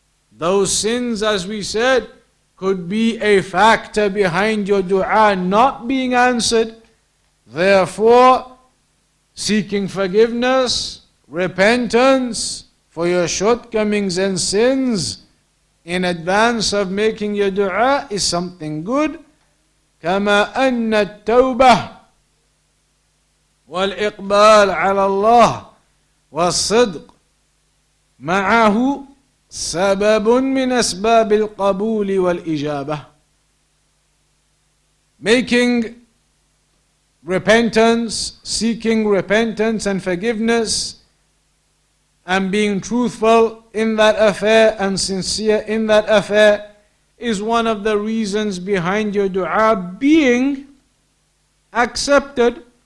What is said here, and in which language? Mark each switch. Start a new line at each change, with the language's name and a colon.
English: Those sins, as we said, could be a factor behind your dua not being answered. Therefore, seeking forgiveness, repentance for your shortcomings and sins in advance of making your dua is something good.
Arabic: كما أن التوبة والإقبال على الله والصدق معه سبب من أسباب القبول والإجابة.
English: Making repentance, seeking repentance and forgiveness, and being truthful in that affair and sincere in that affair is one of the reasons behind your dua being accepted.